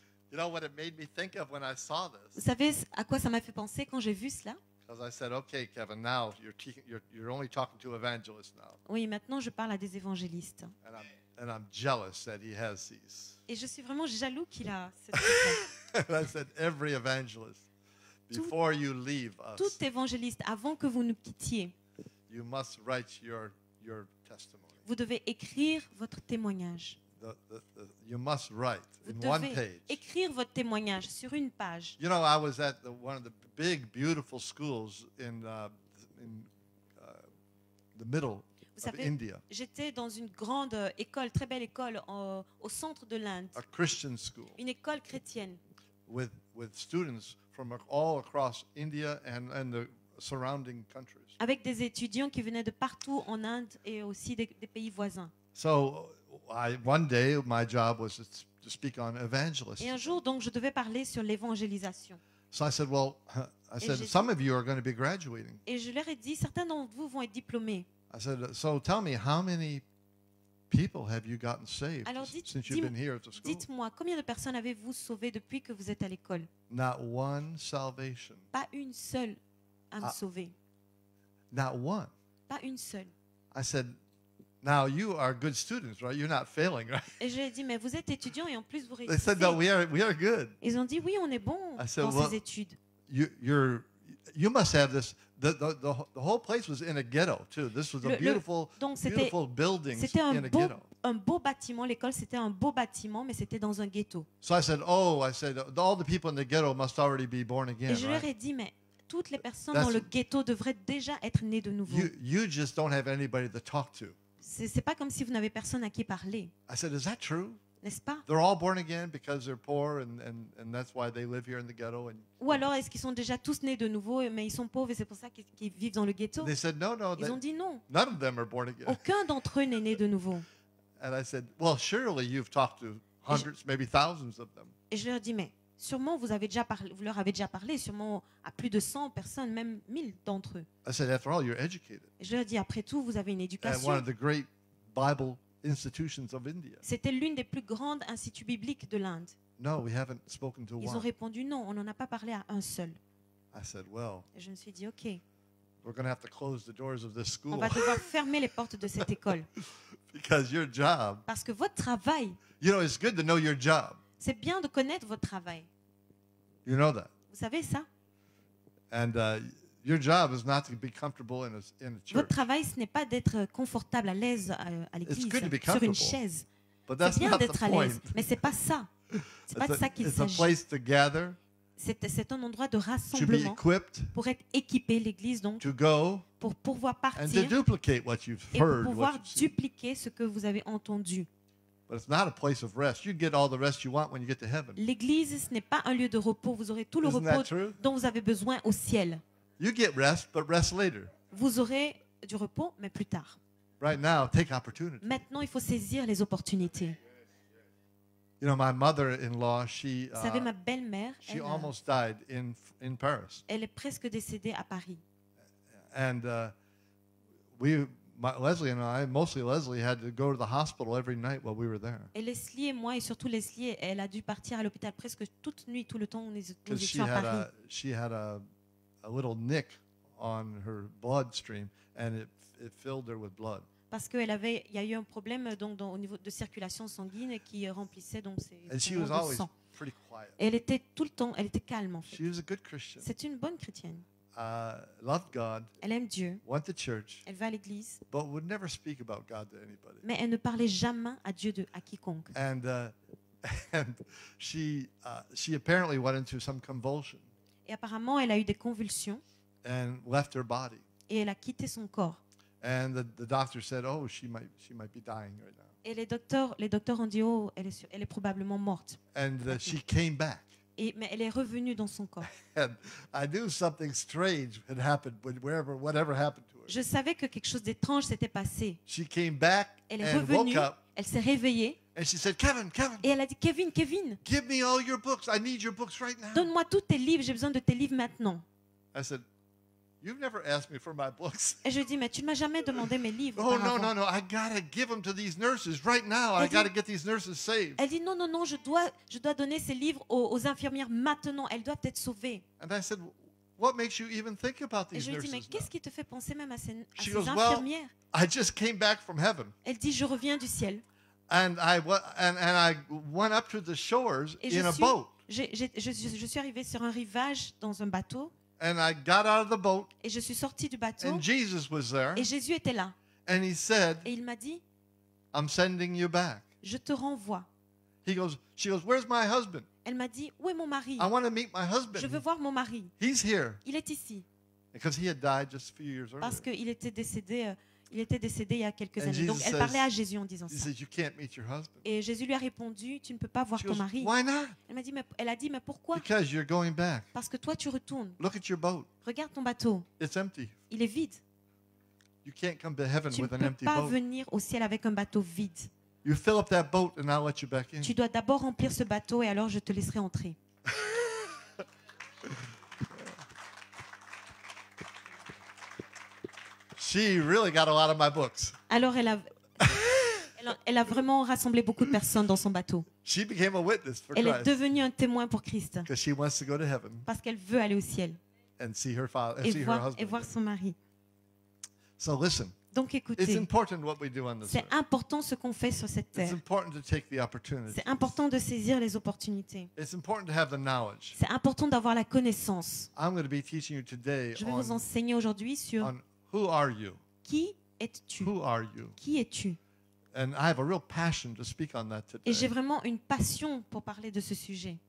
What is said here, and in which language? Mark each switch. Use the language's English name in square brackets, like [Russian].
[English] You know what it made me think of when I saw this? [French] Vous savez à quoi ça m'a fait penser quand j'ai vu cela? [English] Because I said, okay, Kevin, now you're only talking to evangelists now. [French] Oui, maintenant je parle à des évangélistes. [English] And I'm jealous that he has these. [French] Et je suis vraiment jaloux qu'il a cette. [English] And I said, every evangelist, before you leave us. [French] Tout évangéliste, avant que vous nous quittiez. [English] You must write your testimony. [French] Vous devez écrire votre témoignage. [English] You must write [French] vous [English] in [French] devez [English] one page. [French] Écrire votre témoignage sur une page. [English] You know, I was at one of the big, beautiful schools in the middle [French] vous savez, [English] of India. [French] J'étais dans une grande école, très belle école au centre de l'Inde. [English] A Christian school. [French] Une école chrétienne. [English] With students from all across India and the surrounding countries. [French] Avec des étudiants qui venaient de partout en Inde et aussi des pays voisins. [English] So, one day my job was to speak on evangelism. [French] Et un jour donc je devais parler sur l'évangélisation. [English] So I said, well, I said some of you are going to be graduating. [French] Et je leur ai dit, certains d'entre vous vont être diplômés. [English] I said, so tell me how many people have you gotten saved since you've been here at the school? [French] Dites-moi combien de personnes avez-vous sauvées depuis que vous êtes à l'école? [English] Not one salvation. [French] Pas une seule âme sauvée. [English] Not one. [French] Pas une seule. [English] I said, now you are good students, right? You're not failing, right? [French] Et je lui ai dit, mais vous êtes étudiant et en plus vous réussissez. [English] They said, no, we are good. [French] Ils ont dit, oui, on est bon dans ces études. [English] You must have this. The whole place was in a ghetto too. This was a beautiful building in a ghetto. [French] C'était un beau bâtiment. L'école, c'était un beau bâtiment, mais c'était dans un ghetto. [English] So I said, all the people in the ghetto must already be born again. [French] Et je leur ai dit, mais toutes les personnes dans le ghetto devraient déjà être nées de nouveau. [English] You just don't have anybody to talk to. [French] C'est pas comme si vous n'avez personne à qui parler. [English] I said, is that true? [French] N'est-ce pas? [English] They're all born again because they're poor and that's why they live here in the ghetto. [French] Ou alors est-ce qu'ils sont déjà tous nés de nouveau mais ils sont pauvres et c'est pour ça qu'ils vivent dans le ghetto? [English] They said no. [French] Ils ont dit non. [English] None of them are born again. [French] Aucun d'entre eux n'est né de nouveau. [English] And I said, well, surely you've talked to hundreds, maybe thousands of them. [French] Et je leur dis mais sûrement vous leur avez déjà parlé sûrement à plus de 100 personnes, même 1000 d'entre eux. [English] I said, after all, you're educated. [French] Et je leur dis après tout vous avez une éducation. [English] And one of the great Bible institutions of India. [French] C'était l'une des plus grandes instituts bibliques de l'Inde. [English] No, we haven't spoken to [French] Ils [English] one. [French] Ont répondu non, on n'en a pas parlé à un seul. [English] I said, well, [French] et je me suis dit, OK. [English] We're going to have to close the doors of this school. [French] On va devoir fermer les portes de cette école. [English] Because your job. [French] Parce que votre travail. [English] You know, it's good to know your job. [French] C'est bien de connaître votre travail. [English] You know that. [French] Vous savez ça. [English] And your job is not to be comfortable in a church. [French] Votre travail, ce n'est pas d'être confortable, à l'aise à l'église, [English] it's good to be [French] sur une chaise. [English] But that's [French] c'est bien [English] not [French] d'être [English] the [French] à l'aise, [English] point. [French] Mais ce n'est pas ça. C'est pas de ça qu'il [English] it's [French] s'agit. [English] A place to gather, [French] c'est un endroit de rassemblement [English] to be equipped, [French] pour être équipé, l'église, donc, [English] to go, [French] pour pouvoir partir [English] and to duplicate what you've heard, [French] et pour pouvoir [English] what you've [French] dupliquer ce que vous avez entendu. [English] But it's not a place of rest. You get all the rest you want when you get to heaven. [French] L'église, ce n'est pas un lieu de repos. Vous aurez tout le [English] Isn't [French] repos dont vous avez besoin au ciel. [English] You get rest, but rest later. [French] Vous aurez du repos, mais plus tard. [English] Right now, take opportunities. [French] Maintenant, il faut saisir les opportunités. [English] You know, my mother-in-law, she. [French] Vous savez, ma belle-mère. [English] She almost died in Paris. [French] Elle est presque décédée à Paris. [English] And Leslie and I, mostly Leslie, had to go to the hospital every night while we were there. [French] Et Leslie et moi, et surtout Leslie, elle a dû partir à l'hôpital presque toute nuit, tout le temps où nous étions à Paris. [English] She had a little nick on her bloodstream, and it filled her with blood. [French] Parce qu'elle avait, il y a eu un problème donc au niveau de circulation sanguine qui remplissait donc ses [English] And she was always pretty quiet. [French] Elle était tout le temps, elle était calme en fait. [English] She was a good Christian. [French] C'est une bonne chrétienne. [English] Loved God. [French] Elle aime Dieu. [English] Went to church. [French] Elle va à l'église. [English] But would never speak about God to anybody. [French] Mais elle ne parlait jamais à Dieu à quiconque. [English] And she apparently went into some convulsion. [French] Et apparemment, elle a eu des convulsions. [English] And left her body. [French] Et elle a quitté son corps. [English] And the doctor said, "Oh, she might be dying right now." [French] Et les docteurs ont dit, "Oh, elle est probablement morte." [English] And she came back. [French] Mais elle est revenue dans son corps. [English] And I knew something strange had happened whatever happened to her. [French] Je savais que quelque chose d'étrange s'était passé. [English] She came back. [French] Elle est revenue. Elle s'est réveillée. [English] And she said, Kevin. [French] Et elle a dit, Kevin. [English] Give me all your books. I need your books right now. [French] Donne-moi tous tes livres. J'ai besoin de tes livres maintenant. [English] I said, you've never asked me for my books. [French] Et je dis, mais tu ne m'as jamais demandé mes livres. [English] Oh no. I gotta give them to these nurses right now. I gotta get these nurses saved. [French] Elle dit, non. Je dois donner ces livres aux infirmières maintenant. Elles doivent être sauvées. [English] And I said, what makes you even think about these nurses? [French] Et je dis, mais qu'est-ce qui te fait penser même à ces infirmières? [English] She goes, well, I just came back from heaven. [French] Elle dit, je reviens du ciel. [English] And I went up to the shores in a boat. [French] Je suis arrivé sur un rivage dans un bateau. [English] And I got out of the boat. [French] Et je suis sorti du bateau. [English] And Jesus was there. [French] Et Jésus était là. [English] And he said. [French] Et il m'a dit. [English] I'm sending you back. [French] Je te renvoie. [English] She goes. Where's my husband? [French] Elle m'a dit, où est mon mari? [English] I want to meet my husband. [French] Je veux voir mon mari. [English] He's here. [French] Il est ici. [English] Because he had died just a few years earlier. [French] Parce qu'il était décédé. Il était décédé il y a quelques années. Donc elle parlait à Jésus en disant ça. [English] You can't meet your husband. [French] Et Jésus lui a répondu, tu ne peux pas voir ton mari. [English] Why not? [French] Elle a dit, mais pourquoi? [English] Because you're going back. [French] Parce que toi, tu retournes. [English] Look at your boat. [French] Regarde ton bateau. [English] It's empty. [French] Il est vide. [English] You can't come to heaven [French] tu [English] with [French] ne peux [English] an empty [French] pas [English] boat. [French] Venir au ciel avec un bateau vide. [English] You fill up that boat and I'll let you back in. [French] Tu dois d'abord remplir ce bateau et alors je te laisserai entrer. [English] She really got a lot of my books. [French] Alors elle a vraiment rassemblé beaucoup de personnes dans son bateau. [English] She became a witness for [French] Christ. Elle est devenue un témoin pour Christ. [English] Because she wants to go to heaven. [French] Parce qu'elle veut aller au ciel. [English] And see her father, see her husband. [French] Et voir son mari. [English] So listen. [French] Donc écoutez, [English] it's important what we do on this [French] c'est important ce qu'on fait sur cette terre. [English] It's important to take the opportunities. [French] C'est important de saisir les opportunités. [English] It's important to have the knowledge. [French] C'est important d'avoir la connaissance. [English] I'm going to be teaching you today [French] Je vais vous enseigner aujourd'hui sur [English] who are you? [French] Qui es-tu? [English] Who are you? [French] Qui es-tu? [English] And I have a real passion to speak on that today. [French] Et j'ai vraiment une passion pour parler de ce sujet.